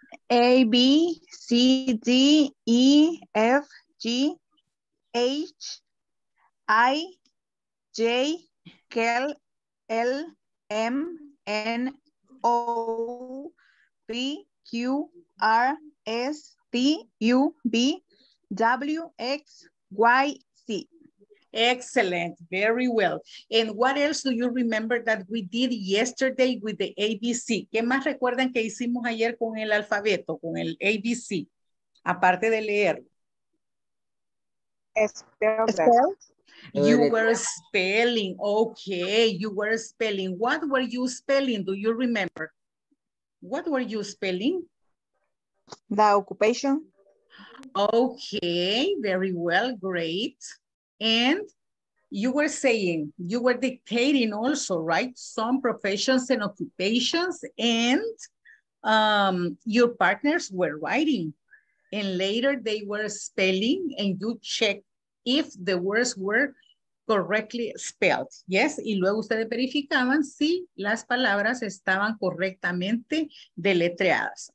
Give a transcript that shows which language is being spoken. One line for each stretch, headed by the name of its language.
English: A, B, C, D, E, F, G, H, I, J, K, L, M, N, O, P, Q, R, S, T, U, B, W, X, Y, C. Excellent. Very well. And what else do you remember that we did yesterday with the ABC?
Spanish: ¿Qué más recuerdan que hicimos ayer con el alfabeto, con el ABC? Aparte de leer.
English: Spell. You were spelling, okay, you were spelling. What were you spelling, do you remember? What were you spelling? The occupation. Okay, very well, great. And you were saying, you were dictating also, right? Some professions and occupations and your partners were writing. And later they were spelling and you checked if the words were correctly spelled, yes?
Spanish: Y luego ustedes verificaban si las palabras estaban correctamente deletreadas.